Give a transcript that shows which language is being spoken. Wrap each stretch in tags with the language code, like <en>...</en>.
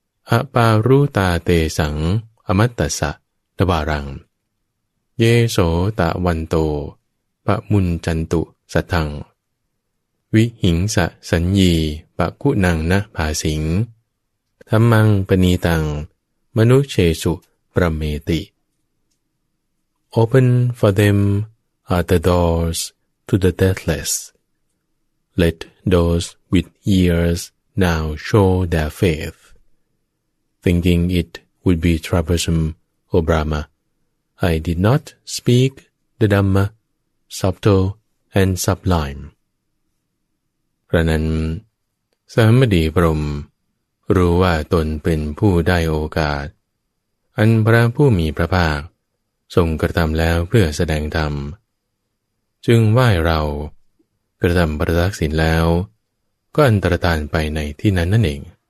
<pi>อะปารุตาเตสังอมัตตสะตวารังเยโสตะวันโตปะมุนจันตุสัทธังวิหิงสะสัญญีปะกุนังนะภาสิงธัมมังปณีตังมนุเชสุประเมติ</pi> <en>Open for them are the doors to the deathless. Let those with ears now show their faith. Thinking it would be troublesome, O Brahma, I did not speak the Dhamma, subtle and sublime.</en> <th>ระนั้นสามดีพรหมรู้ว่าตนเป็นผู้ได้โอกาสอันพระผู้มีพระภาคทรงกระทำแล้วเพื่อแสดงธรรมจึงไหว้เรากระทำประทักษิณแล้วก็อันตรธานไปในที่นั้นนั่นเอง</th>